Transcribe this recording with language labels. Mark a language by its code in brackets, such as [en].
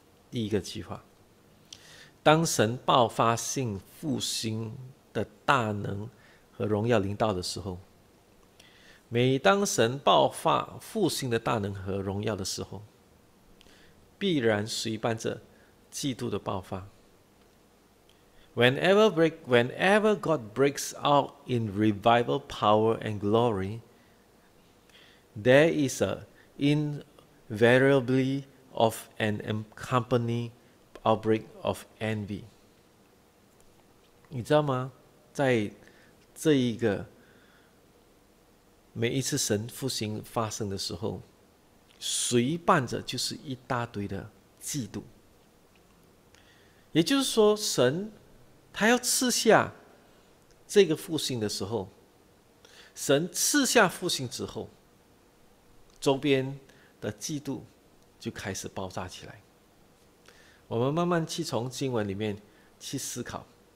[zh] 第一个计划，当神爆发性复兴的大能和荣耀临到的时候，每当神爆发复兴的大能和荣耀的时候，必然随伴着嫉妒的爆发。 [en] Whenever God breaks out in revival power and glory, there is an invariably of an accompanyingoutbreak of envy. [zh] 你知道吗？在这一个每一次神复兴发生的时候，随伴着就是一大堆的嫉妒。也就是说，神他要赐下这个复兴的时候，神赐下复兴之后，周边的嫉妒就开始爆炸起来。我们慢慢去从经文里面去思考，